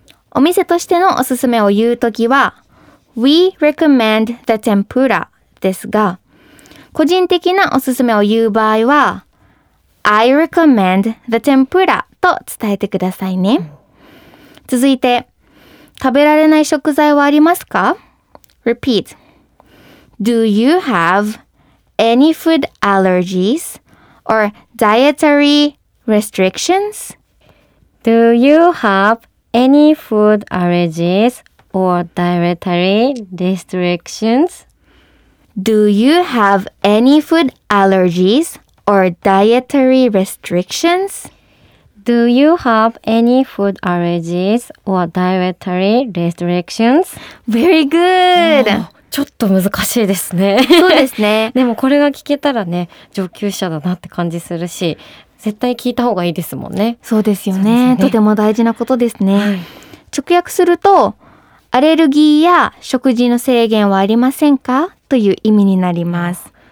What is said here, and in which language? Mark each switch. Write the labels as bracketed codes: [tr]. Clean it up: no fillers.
[ja] お店としてのおすすめを言うときは [en] We recommend the tempura [ja] ですが、個人的なおすすめを言う場合は [en] I recommend the tempura [ja] と伝えてくださいね。続いて、食べられない食材はありますか？ [en] Repeat. Do you have any food allergies or dietary restrictions? Do you have any food allergies or dietary restrictions? Do you have any food allergies or dietary restrictions? Do you have any food allergies or dietary restrictions? Very good! [ja] ちょっと難しいですね。そうですね。でもこれが聞けたらね、上級者だなって感じするし、絶対聞いた方がいいですもんね。そうですよね。とても大事なことですね、はい、直訳するとアレルギーや食事の制限はありませんかという意味になります。